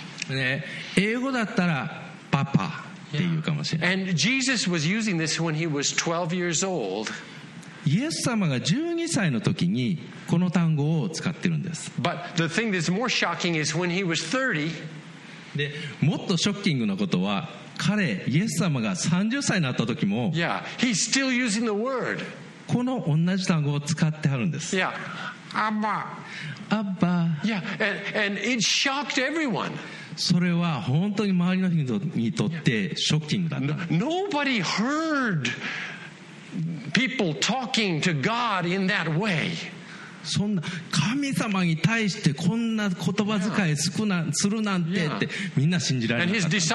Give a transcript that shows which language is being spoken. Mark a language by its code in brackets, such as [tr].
[ja] ね、英語だったらパパっていうかもしれない。 [en] Yeah. And Jesus was using this when he was 12 years old. [ja] イエス様が12歳の時にこの単語を使ってるんです。 [en] But the thing that's more shocking is when he was 30. [ja] で、もっとショッキングなことは、彼、イエス様が30歳になった時も、 [en] yeah, he's still using the word. [ja] この同じ単語を使ってはるんです。 [en] Yeah, Abba. Abba. Yeah, and it shocked everyone. [ja] それは本当に周りの人にとってショッキングだった。 [en] Nobody heard people talking to God in that way. [ja] そんな神様に対してこんな言葉遣いするなんて、yeah. ってみんな信じられなかった。